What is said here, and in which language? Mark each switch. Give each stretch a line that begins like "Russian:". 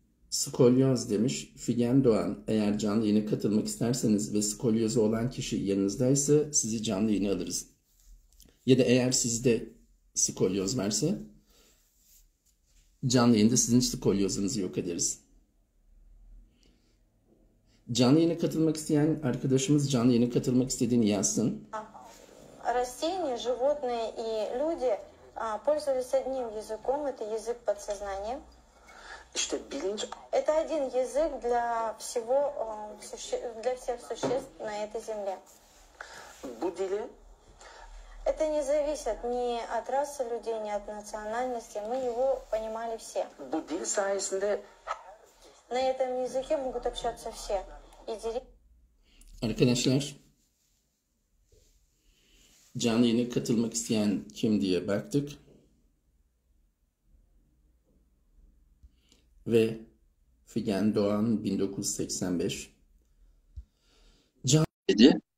Turkish: Skolyoz demiş. Figen Doğan, eğer canlı yayına katılmak isterseniz ve skolyozu olan kişi yanınızdaysa sizi canlı yayına alırız. Ya da eğer sizde skolyoz varsa canlı yayında sizin skolyozunuzu yok ederiz. Canlı yayına katılmak isteyen arkadaşımız canlı yayına katılmak istediğini yazsın.
Russian: Растения, животные и люди пользовались одним языком, это язык подсознания.
Turkish: İşte bilinç.
Russian: Это один язык для всего, для всех существ на этой земле.
Turkish: Bu dili.
Russian: Это не зависит ни от расы людей, ни от национальности. Мы его понимали все.
Turkish: Bu dil sayesinde.
Russian: На этом языке могут общаться все. И
Turkish: Arkadaşlar. Canlı yayına katılmak isteyen kim diye baktık. Ve Figen Doğan 1985. Canlı dedi.